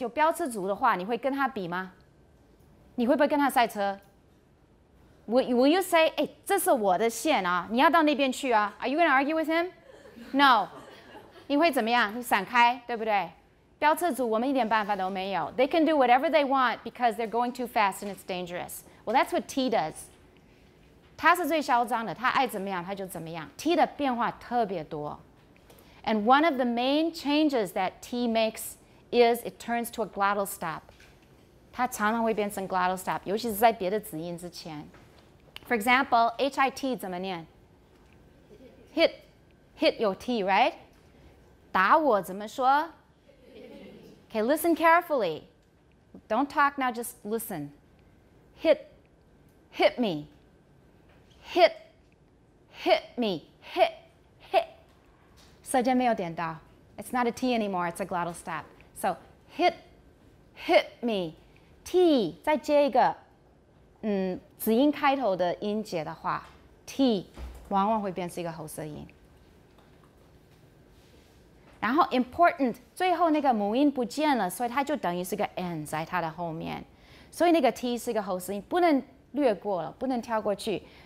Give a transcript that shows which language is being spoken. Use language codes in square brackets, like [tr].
[zh] 有飙车族的话，你会跟他比吗？你会不会跟他赛车？ [en] Will you say, [zh] 哎，这是我的线啊，你要到那边去啊。 [en] Are you going to argue with him? No. [zh] 你会怎么样？你闪开，对不对？飙车族我们一点办法都没有。 [en] They can do whatever they want because they're going too fast and it's dangerous. Well, that's what T does. [zh] 他是最嚣张的，他爱怎么样他就怎么样。T 的变化特别多。 [en] And one of the main changes that T makes is it turns to a glottal stop. [zh] 他常常会变成 glottal stop, 尤其是在别的子音之前。 [en] For example, H-I-T [zh] 怎么念 [en] ？Hit, hit 有 T, right? [zh] 打我怎么说 [en] ？Okay, listen carefully. Don't talk now, just listen. Hit, hit me. Hit, hit me. Hit, hit. [zh] 舌尖没有点到。 [en] It's not a T anymore, it's a glottal stop. So, hit, hit me. [zh] T 再接一个，子音开头的音节的话 ，T 往往会变成一个喉舌音。然后 important 最后那个母音不见了，所以它就等于是个 n 在它的后面，所以那个 T 是一个喉舌音，不能略过了，不能跳过去。